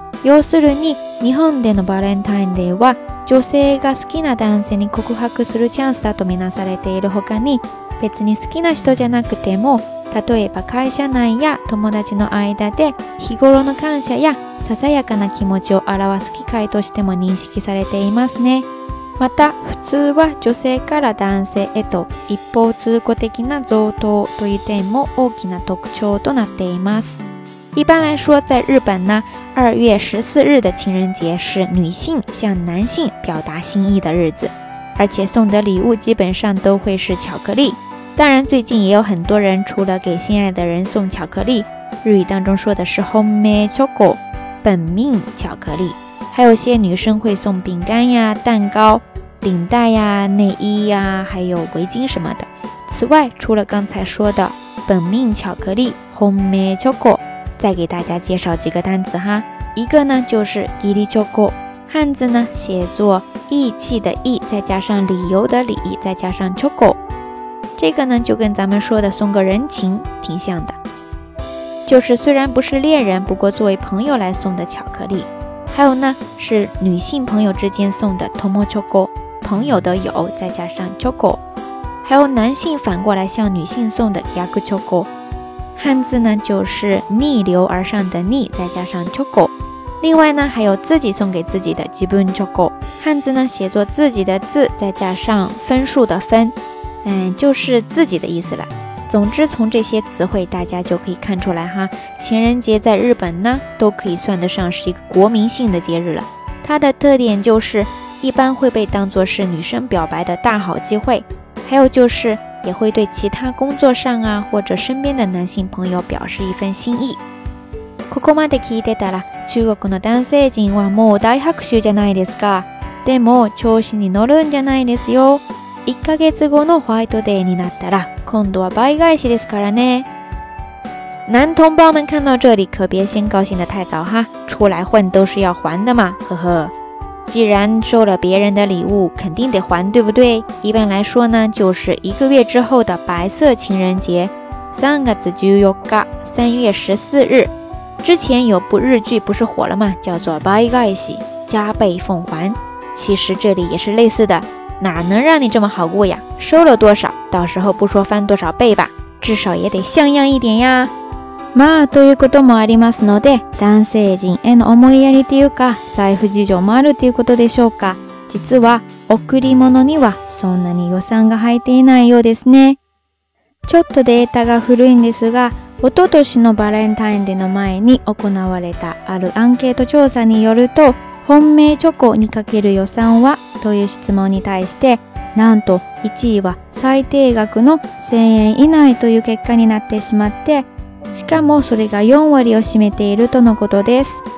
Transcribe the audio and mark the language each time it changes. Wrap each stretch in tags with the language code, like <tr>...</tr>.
<ja>要するに、日本でのバレンタインデーは、女性が好きな男性に告白するチャンスだとみなされている他に、別に好きな人じゃなくても、例えば会社内や友達の間で日頃の感謝やささやかな気持ちを表す機会としても認識されていますね。また、普通は女性から男性へと一方通行的な贈答という点も大きな特徴となっています。</ja> <zh>一般来说，在日本呢，2月14日的情人节是女性向男性表达心意的日子，而且送的礼物基本上都会是巧克力。当然最近也有很多人除了给心爱的人送巧克力，日语当中说的是 homemade choco， 本命巧克力，还有些女生会送饼干呀、蛋糕、领带呀、内衣呀，还有围巾什么的。此外，除了刚才说的本命巧克力 homemade choco，再给大家介绍几个单词哈，一个呢就是義理チョコ，汉字呢写作义气的义，再加上理由的理，再加上チョコ，这个呢就跟咱们说的送个人情挺像的，就是虽然不是恋人，不过作为朋友来送的巧克力。还有呢是女性朋友之间送的友チョコ，朋友的友，再加上チョコ，还有男性反过来向女性送的逆チョコ。汉字呢就是逆流而上的逆，再加上チョコ。另外呢还有自己送给自己的自分チョコ，汉字呢写作自己的字，再加上分数的分，就是自己的意思了。总之从这些词汇大家就可以看出来哈，情人节在日本呢都可以算得上是一个国民性的节日了。它的特点就是一般会被当作是女生表白的大好机会，还有就是也会对其他工作上啊或者身边的男性朋友表示一份心意。</zh> <ja>ここまで聞いてたら中国の男性陣はもう大拍手じゃないですか。でも調子に乗るんじゃないですよ。1ヶ月後のホワイトデーになったら今度は倍返しですからね。</ja> <zh>男同胞们看到这里可别先高兴得太早哈，出来混都是要还的嘛，呵呵。既然收了别人的礼物肯定得还，对不对？一般来说呢就是一个月之后的白色情人节，3月14日。之前有部日剧不是火了吗，叫做倍返し，加倍奉还。其实这里也是类似的，哪能让你这么好过呀，收了多少到时候不说翻多少倍吧，至少也得像样一点呀。</zh> <ja>まあということもありますので、男性陣への思いやりというか財布事情もあるということでしょうか。実は贈り物にはそんなに予算が入っていないようですね。ちょっとデータが古いんですが、一昨年のバレンタインデーの前に行われたあるアンケート調査によると、本命チョコにかける予算はという質問に対して、なんと1位は最低額の1000円以内という結果になってしまって、しかもそれが4割を占めているとのことです。</ja>